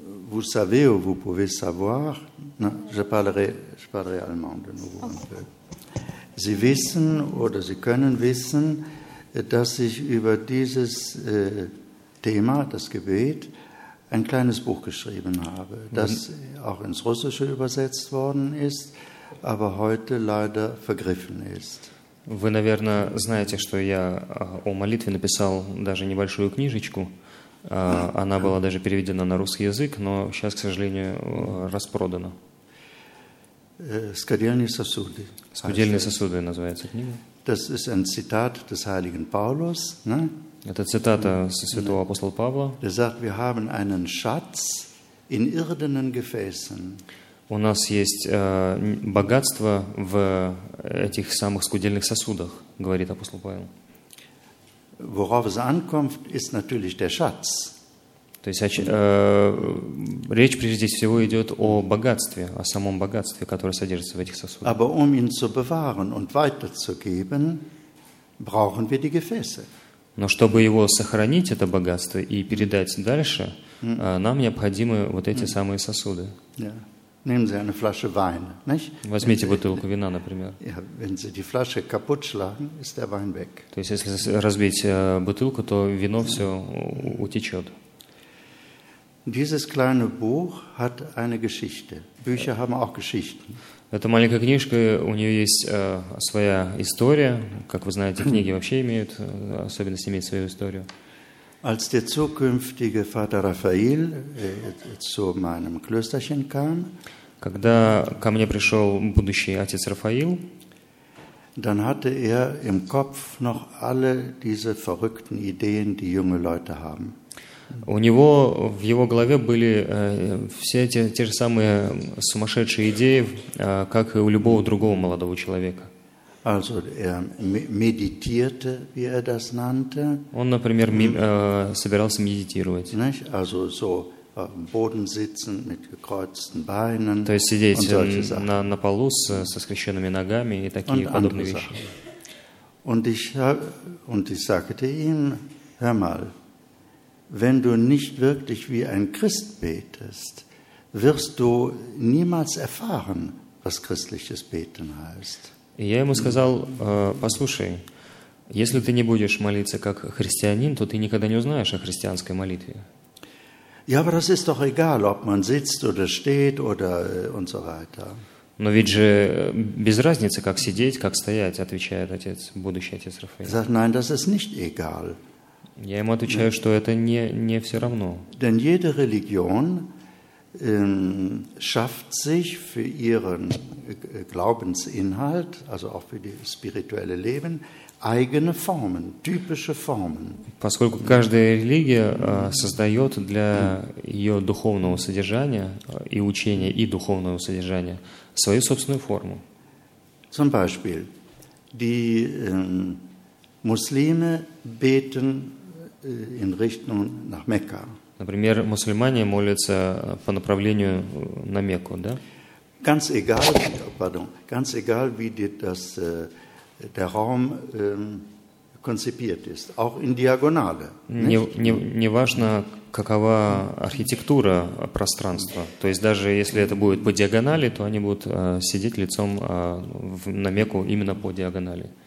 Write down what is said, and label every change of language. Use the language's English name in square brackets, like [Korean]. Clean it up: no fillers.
[French] Vous savez ou vous pouvez savoir, non, je parlerai allemand de nouveau un peu. [German] Sie wissen oder Sie können wissen, dass ich über dieses Thema, das Gebet, ein kleines Buch geschrieben habe, das auch ins Russische übersetzt worden ist, aber heute leider vergriffen ist. [Russian] Вы, наверное, знаете, что я о молитве написал даже небольшую книжечку. Она была даже переведена на русский язык, но сейчас, к сожалению, распродана. Скудельные сосуды. Скудельные сосуды называется книга. [German] Das ist ein Zitat des heiligen Paulus, ne? [Russian] Это цитата со святого апостола Павла. [German] Er sagt, wir haben einen Schatz in irdenen Gefäßen. [Russian] У нас есть богатство в этих самых скудельных сосудах, говорит апостол Павел. [German] Worauf es ankommt, ist natürlich der Schatz. [Russian] То есть речь прежде всего идет о богатстве, о самом богатстве, которое содержится в этих сосудах. [German] Aber um ihn zu bewahren und weiterzugeben, brauchen wir die Gefäße. [Russian] Но чтобы его сохранить, это богатство, и передать дальше, нам необходимы вот эти самые сосуды. [German] Nehmen Sie eine Flasche Wein, nicht? [Russian] Возьмите бутылку вина, например. [German] Ja, wenn Sie die Flasche kaputt schlagen, ist der Wein weg. [Russian] То есть если разбить бутылку, то вино все утечет. [German] Dieses kleine Buch hat eine Geschichte. Bücher haben auch Geschichten. [Russian] Эта маленькая книжка, у нее есть своя история. Как вы знаете, книги вообще имеют особенность иметь свою историю. [German] Als der zukünftige Vater Raphael zu meinem Klösterchen kam, [Russian] когда ко мне пришел будущий отец Рафаил, [German] dann hatte er im Kopf noch alle diese verrückten Ideen, die junge Leute haben. [Russian] У него в его голове были все те же самые сумасшедшие идеи, как и у любого другого молодого человека. [German] Also er meditierte, wie er das nannte. [Russian] Он, например, собирался медитировать. [German] Nicht? Also so auf dem Boden sitzen mit gekreuzten Beinen. [Russian] То есть сидеть на полу со скрещенными ногами и такие [German] und [Russian] подобные вещи. [German] Und ich sagte ihm, hör mal, wenn du nicht wirklich wie ein Christ betest, wirst du niemals erfahren, was christliches Beten heißt. [Russian] И я ему сказал, послушай, если ты не будешь молиться как христианин, то ты никогда не узнаешь о христианской молитве. [German] Ja, aber das ist doch egal, ob man sitzt oder steht oder und so weiter. [Russian] Но ведь же без разницы, как сидеть, как стоять, отвечает отец, будущий отец Рафаэль. [German] Sagt, nein, das ist nicht egal. [Russian] Я ему отвечаю, что это не все равно. [German] Denn jede Religion schafft sich für ihren Glaubensinhalt, also auch für das spirituelle Leben, eigene Formen, typische Formen. [Russian] Поскольку каждая религия создает для ее духовного содержания и учения и духовного содержания свою собственную форму. [German] Zum Beispiel, die Muslime beten in Richtung nach Mekka. [Russian] Например, мусульмане молятся по направлению на Мекку, да? [German] Ganz egal, pardon, ganz egal, wie das der Raum konzipiert ist, auch in Diagonale. [Russian] Не важно, какова архитектура пространства. То есть даже если это будет по диагонали, то они будут сидеть лицом на Мекку именно по диагонали.